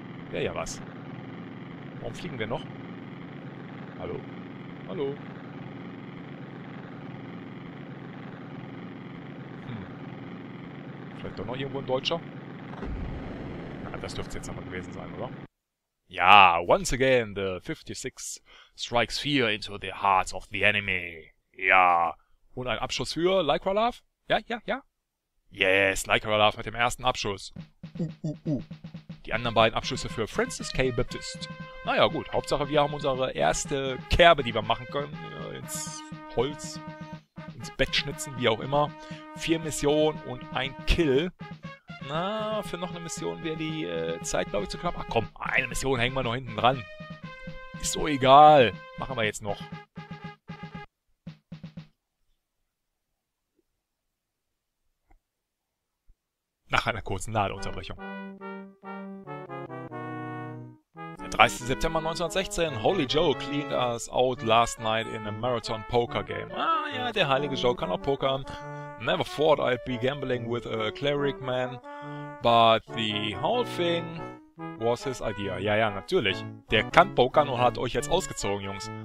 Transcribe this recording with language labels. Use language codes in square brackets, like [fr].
[de] Wäre ja was. Warum fliegen wir noch? Hallo? Hallo? Hm. Vielleicht doch noch irgendwo ein Deutscher? Na, das dürfte jetzt aber gewesen sein, oder? [en] Ja, once again, the 56 strikes fear into the hearts of the enemy. [de] Ja. Und ein Abschuss für Lycra Love? Ja, ja, ja. Yes, Lycra Love mit dem ersten Abschuss. Die anderen beiden Abschlüsse für Francis K. Baptist. Naja, gut. Hauptsache, wir haben unsere erste Kerbe, die wir machen können. Ins Holz. Ins Bett schnitzen, wie auch immer. Vier Missionen und ein Kill. Na, für noch eine Mission wäre die Zeit, glaube ich, zu knapp. Ach komm, eine Mission hängen wir noch hinten dran. Ist so egal. Machen wir jetzt noch. Nach einer kurzen Ladeunterbrechung. 30. [en] September 1916, Holy Joe cleaned us out last night in a marathon poker game. [de] Ah ja, der heilige Joe kann auch pokern. [en] Never thought I'd be gambling with a cleric man, but the whole thing was his idea. [de] Ja, ja, natürlich. Der kann pokern und hat euch jetzt ausgezogen, Jungs.